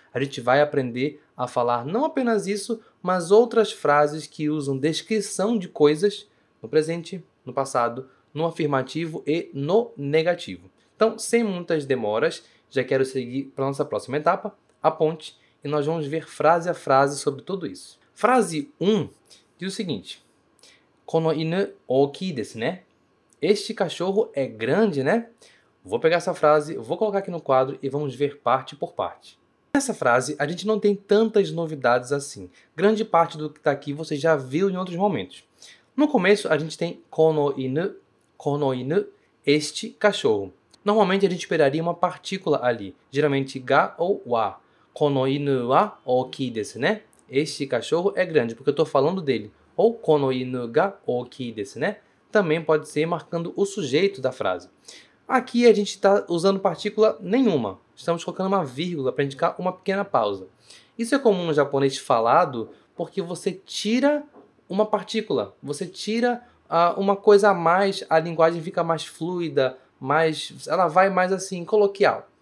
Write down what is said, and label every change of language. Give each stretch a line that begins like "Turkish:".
Portuguese: A gente vai aprender a falar não apenas isso, mas outras frases que usam descrição de coisas no presente, no passado, no afirmativo e no negativo. Então, sem muitas demoras, já quero seguir para a nossa próxima etapa, a ponte, e nós vamos ver frase a frase sobre tudo isso. Frase 1 diz o seguinte:
Japanese: この犬大きいですね。
Portuguese: Este cachorro é grande, né? Vou pegar essa frase, vou colocar aqui no quadro e vamos ver parte por parte. Nessa frase, a gente não tem tantas novidades assim. Grande parte do que está aqui você já viu em outros momentos. No começo, a gente tem
Japanese: この犬,
Portuguese: este cachorro. Normalmente, a gente esperaria uma partícula ali, geralmente ga ou wa.
Japanese: この犬は大きいですね。
Portuguese: Este cachorro é grande, porque eu estou falando dele.
Japanese: Ou この犬が大きいですね?
Portuguese: Também pode ser marcando o sujeito da frase. Aqui a gente está usando partícula nenhuma. Estamos colocando uma vírgula para indicar uma pequena pausa. Isso é comum no japonês falado, porque você tira uma partícula. Você tira uma coisa a mais, a linguagem fica mais fluida, mais, ela vai mais assim, coloquial.